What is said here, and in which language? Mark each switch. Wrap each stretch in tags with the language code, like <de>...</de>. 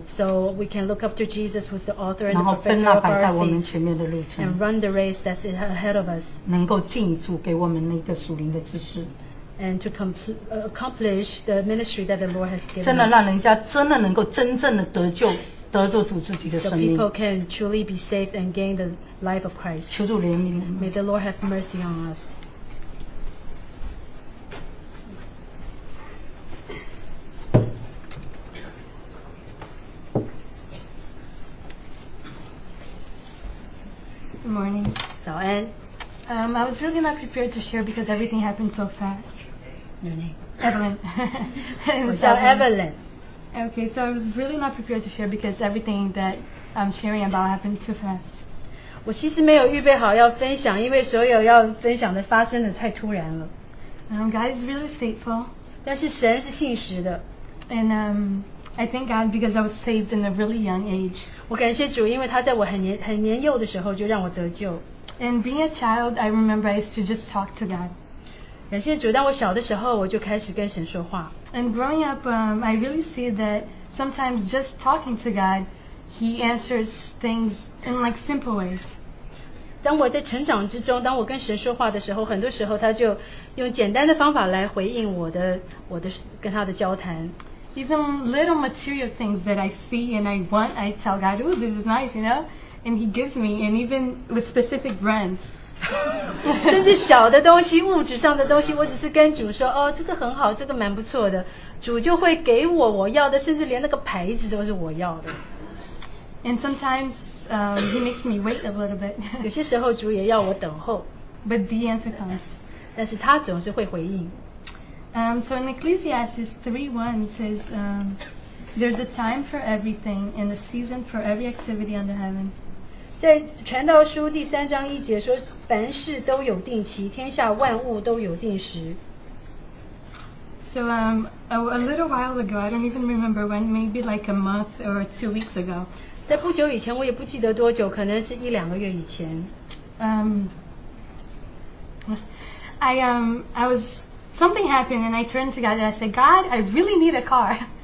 <en>so we can look up to Jesus who is the author and the perfecter of our faith</en> <zh>摆在我们前面的路程</zh> <en>and run the race that's ahead of us</en> <zh>能够进主给我们那个属灵的知识</zh> <en>and to accomplish the ministry that the Lord has given us</en> <zh>真的让人家真的能够真正的得救得着主自己的生命</zh> <en>so people can truly be saved and gain the life of Christ</en> <zh>求主怜悯</zh> <en>May the Lord have mercy on us</en> <zh>早安</zh> <en>I was really not prepared to share because everything happened so fast Your name? Evelyn</en> <zh>叫 Evelyn</zh> <en>Okay, so I was really not prepared to share because everything that I'm sharing about happened too fast.</en> <zh>我其实没有预备好要分享，因为所有要分享的发生的太突然了。</zh> <en>God is really faithful.</en> <zh>但是神是信实的。</zh> <en>And I thank God because I was saved in a really young age.</en> <zh>我感谢主，因为他在我很年幼的时候就让我得救。</zh> <en>And being a child, I remember I used to just talk to God.</en> <zh>感谢主，当我小的时候，我就开始跟神说话。</zh> <en>And growing up, I really see that sometimes just talking to God, He answers things in like simple ways.</en> <zh>当我在成长之中，当我跟神说话的时候，很多时候他就用简单的方法来回应我的跟他的交谈。</zh> <en>even little material things that I see and I want, I tell God, ooh, this is nice, you know? And He gives me, and even with specific brands.</en> <zh>甚至小的东西物质上的东西我只是跟主说哦，这个很好这个蛮不错的主就会给我我要的甚至连那个牌子都是我要的</zh> <en>and sometimes he makes me wait a little bit</en> <zh>有些时候主也要我等候</zh> <en>but the answer comes</en> <zh>但是他总是会回应</zh> <en>so in Ecclesiastes 3:1 says there's a time for everything and a season for every activity under heaven</en> <zh>在传道书第三章一节说凡事都有定期天下万物都有定时</zh> <en>so a little while ago I don't even remember when maybe like a month or 2 weeks ago</en> <zh>在不久以前我也不记得多久可能是一两个月以前</zh> <en>I was something happened and I turned to God and I said God I really need a car</en>